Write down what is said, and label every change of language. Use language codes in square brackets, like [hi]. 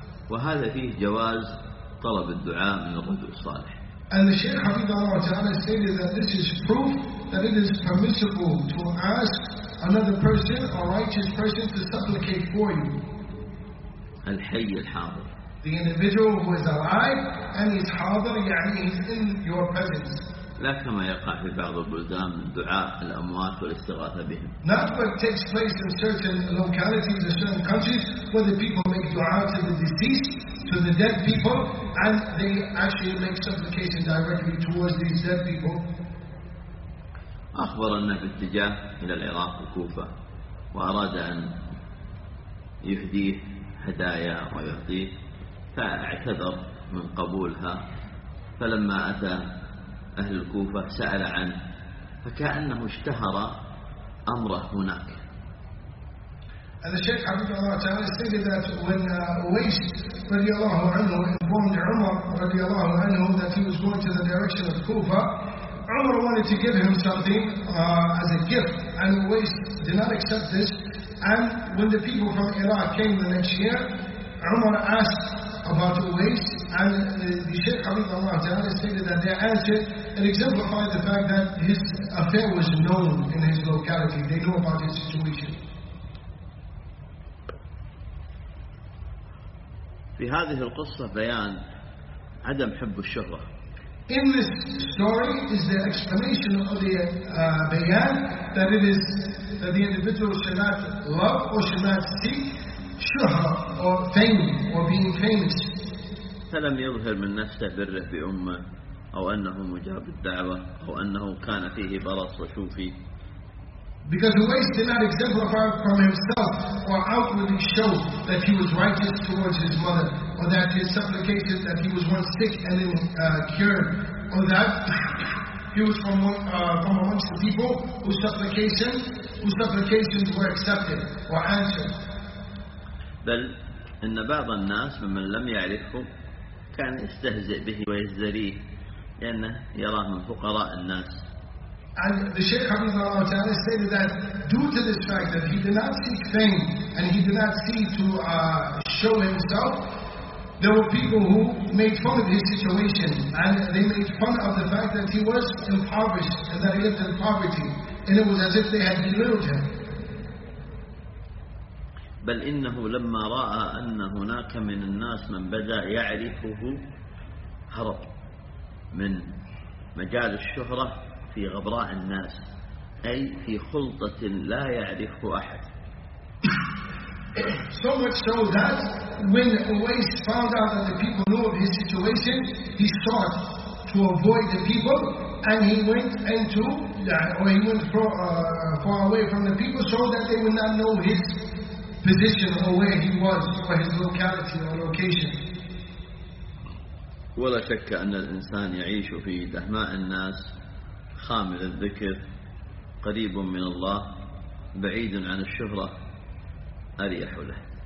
[ar] وهذا فيه جواز طلب الدعاء من الرجل الصالح. [en] And the Shaykh Hafidhullah Ta'ala stated that this is proof that it is permissible to ask another person, a righteous person, to supplicate for you. [ar] الحي الحاضر. [en] The individual who is alive and is [ar] حاضر, يعني [en] he's in your presence. [ar] لا كما يقع في بعض البلدان من دعاء الأموات والاستغاثة بهم. [en] Not what takes place in certain localities or certain countries where the people make dua to the deceased, to the dead people, and they actually make supplication directly towards these dead people. [ar] أخبر أنه باتجاه إلى العراق والكوفة وأراد أن يهديه هدايا ويعطيه، فاعتذر من قبولها، فلما أتى أهل الكوفة سأل عنه، فكأنه اشتهر أمره هناك. [en] And the Shaykh Hafidhullah Ta'ala stated that when Uwais radiallahu anhu informed Umar radiallahu anhu that he was going to the direction of Kufa, Umar wanted to give him something as a gift, and Uwais did not accept this. And when the people from Iraq came the next year, Umar asked about Uwais, and the Shaykh Hafidhullah Ta'ala stated that their answer, it exemplified the fact that his affair was known in his locality. They knew about his situation. [ar] في هذه القصة بيان عدم حب الشهرة. [en] In this story is the explanation of the بيان that it is that the individual should not love or should not seek شهرة or fame or being famous. [ar] فلم يظهر من نفسه بره بأمه أو أنه مجاب الدعوة أو أنه كان فيه برص وشوفي. [en] Because Uwais did not exemplify from himself or outwardly show that he was righteous towards his mother, or that his supplication that he was once sick and then cured, or that he was from amongst the people whose supplications were accepted or answered. [ar] بل إن بعض الناس ممن لم يعرفه كان يستهزئ به ويزريه لأنه يراه من فقراء الناس. [en] And the Shaykh Hafidhullah Ta'ala stated that due to this fact that he did not seek fame and he did not seek to show himself, there were people who made fun of his situation, and they made fun of the fact that he was impoverished and that he lived in poverty, and it was as if they had belittled him. [ar] بل إنه لما رأى أن هناك من الناس من بدأ يعرفه هرب من مجال الشهرة في غبراء الناس، أي في خلطة لا يعرفه أحد. [en] So much so that when Uwais found out that the people knew of his situation, he sought to avoid the people and he went into or he went far away from the people so that they would not know his position or where he was or his locality or location. [ar] ولا شك أن الإنسان يعيش في دهماء الناس خامل الذكر قريب من الله بعيد عن الشهرة أريح له.